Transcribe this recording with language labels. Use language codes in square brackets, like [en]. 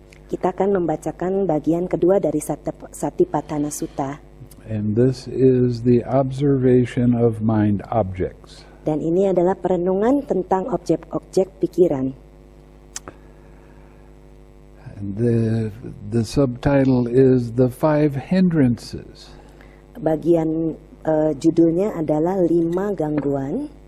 [id] Kita akan membacakan bagian kedua dari Satipatthana Sutta. [en] And this is the observation of mind objects. [id] Dan ini adalah perenungan tentang objek-objek pikiran. [en] The subtitle is the five hindrances. [id] Bagian judulnya adalah lima gangguan.